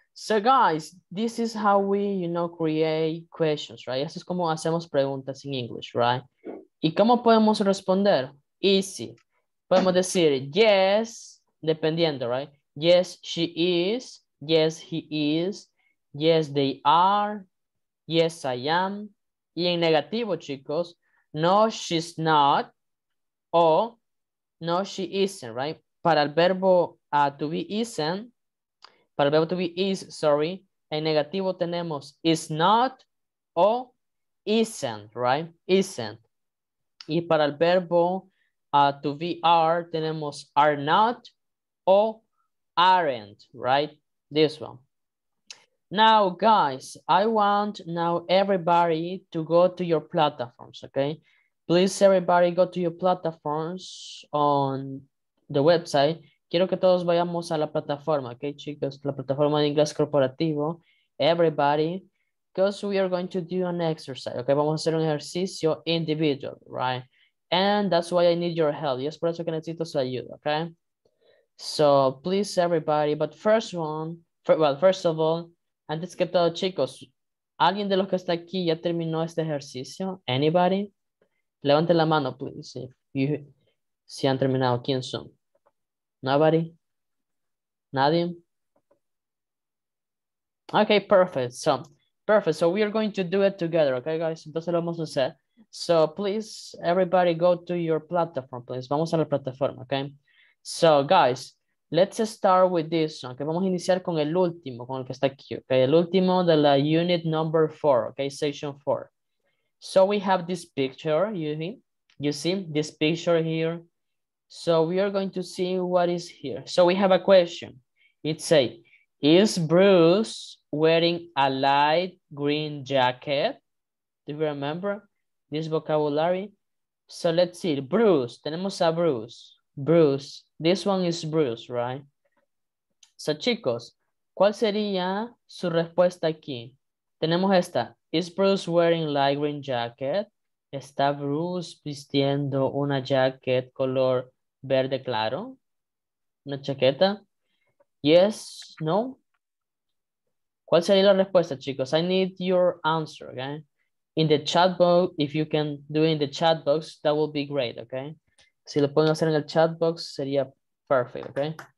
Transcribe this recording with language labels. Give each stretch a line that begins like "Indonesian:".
English: So guys, this is how we, you know, create questions, right?
Spanish: Eso es como hacemos preguntas en English, right? ¿Y cómo podemos responder? Easy. Podemos decir yes, dependiendo, right?
English: Yes, she is. Yes, he is. Yes, they are. Yes, I am.
Spanish: Y en negativo, chicos,
English: no, she's not.
Spanish: O
English: no, she isn't,
Spanish: right? Para el verbo to be isn't, para el verbo to be is, sorry, en negativo tenemos is not o isn't, right? Isn't. Y para el verbo to be are, tenemos are not o aren't, right? This one.
English: Now, guys, I want now everybody to go to your platforms, okay? Please, everybody, go to your platforms on the website.
Spanish: Quiero que todos vayamos a la plataforma, okay, chicos? La plataforma de inglés corporativo. Everybody.
English: Because we are going to do an exercise, okay?
Spanish: Vamos a hacer un ejercicio individual, right?
English: And that's why I need your help.
Spanish: Y es por eso que necesito su ayuda, okay?
English: So, please, everybody. But first one, first of all,
Spanish: antes que todo, chicos, ¿alguien de los que está aquí ya terminó este ejercicio? Anybody? Levante la mano, please. Si han terminado, ¿quién son? Nobody? Nadie?
English: Okay, perfect. So, perfect. So, we are going to do it together. Okay, guys?
Spanish: Entonces, lo vamos a hacer.
English: So, please, everybody, go to your platform, please.
Spanish: Vamos a la plataforma, okay?
English: So, guys, let's start with this one.
Spanish: Okay, vamos a iniciar con el último, con el que está aquí. Okay, el último de la unit number 4. Okay, section 4.
English: So we have this picture, you see this picture here. So we are going to see what is here. So we have a question. It say, is Bruce wearing a light green jacket? Do you remember this vocabulary? So let's see, Bruce,
Spanish: tenemos a Bruce.
English: Bruce, this one is Bruce, right? So
Spanish: chicos, ¿cuál sería su respuesta aquí? Tenemos esta.
English: Is Bruce wearing light green jacket?
Spanish: ¿Está Bruce vistiendo una jacket color verde claro? ¿Una chaqueta? Yes, no. ¿Cuál sería la respuesta, chicos?
English: I need your answer, okay? In the chat box, if you can do it in the chat box, that will be great, okay?
Spanish: Si lo pueden hacer en el chat box, sería perfect, okay?